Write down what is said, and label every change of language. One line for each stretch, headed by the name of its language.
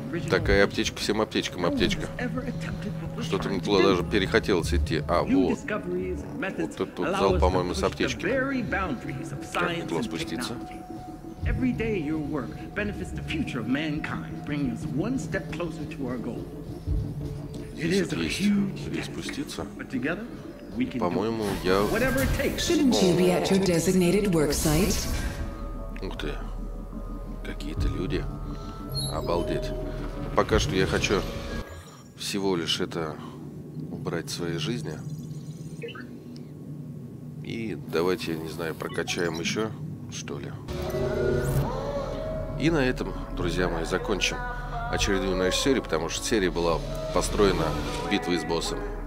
Russian: Такая аптечка всем аптечкам, аптечка. Что-то мне туда даже перехотелось идти. А, вот. Вот тут вот зал, по-моему, с аптечками. Как туда спуститься?
English: Every day your work benefits the future of mankind, bringing us one step closer to our goal. It is a huge task. But together, we can.
Russian: По-моему, я.
English: Whatever it takes. Shouldn't you be at your designated work site?
Russian: Ух ты, какие-то люди. Обалдеть. Пока что я хочу всего лишь это убрать в своей жизни. И давайте, я не знаю, прокачаем еще. Что ли? И на этом, друзья мои, закончим очередную нашу серию, потому что серия была построена битвой с боссом.